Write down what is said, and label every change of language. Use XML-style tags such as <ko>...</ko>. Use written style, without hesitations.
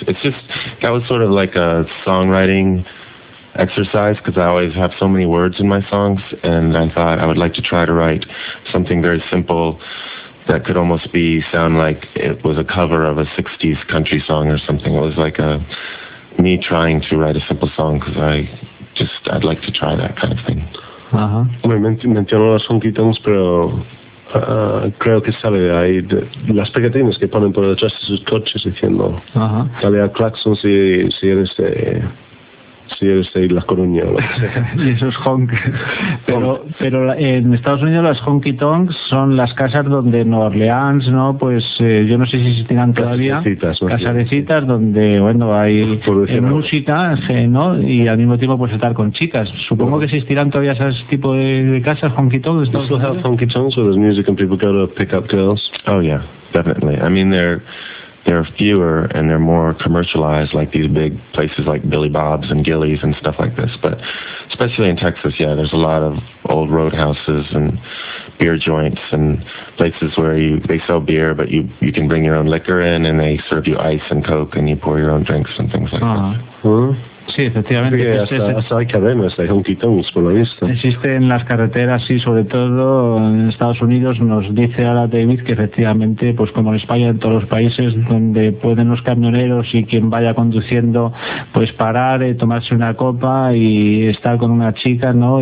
<en>It's just, that was sort of like a songwriting exercise, because I always have so many words in my songs, and I thought I would like to try to write something very simple that could almost be sound like it was a cover of a 60s country song or something. It was like a me trying to write a simple song, because I'd like to try that kind of thing.</en> <es>Menciono las Honky Tonks, pero creo que sale de ahí las pegatinas que ponen por detrás de sus coches diciendo sale a claxon si eres de... Sí, es de La Coruña. Y eso es honk. Pero en Estados Unidos las honky tonks son las casas donde Nueva Orleans, ¿no? Pues yo no sé si existirán todavía. Casarecitas, donde, bueno, hay música, ¿no? Y al mismo tiempo pues estar con chicas. Supongo que existirán todavía ese tipo de casas, honky tonks.</es> <en>Do you still have honky tonks where there's music and people go to pick up girls? Oh, yeah, definitely. I mean, they're fewer and they're more commercialized, like these big places like Billy Bob's and Gilly's and stuff like this. But especially in Texas, yeah, there's a lot of old roadhouses and beer joints and places where they sell beer, but you can bring your own liquor in and they serve you ice and coke and you pour your own drinks and things like that.</en> <es>Sí, efectivamente. Hay cadenas, hay honky tonks, por lo visto. Existen las carreteras, sí, sobre todo en Estados Unidos. Nos dice ahora David que efectivamente, pues como en España, en todos los países donde pueden los camioneros y quien vaya conduciendo, pues parar, tomarse una copa y estar con una chica, ¿no?</es>